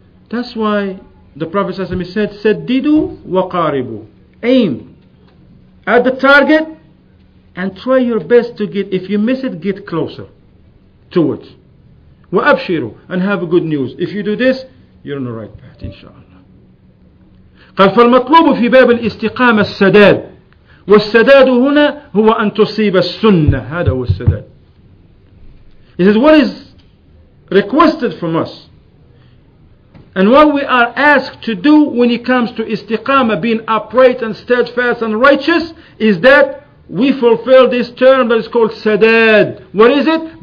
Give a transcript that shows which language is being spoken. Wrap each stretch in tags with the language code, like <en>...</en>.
<en>That's why the Prophet ﷺ said, "Saddidu wa qaribu." Aim at the target and try your best to get, if you miss it, get closer to it. Wa abshiru, and have good news. If you do this, you're on the right path, inshallah.</en> <ar>قال فالمطلوب في باب الاستقامة السداد والسداد هنا هو أن تصيب السنة. هذا هو السداد.</ar> <en>He says, what is requested from us and what we are asked to do when it comes to istiqama, being upright and steadfast and righteous, is that we fulfill this term that is called sadad. What is it?</en>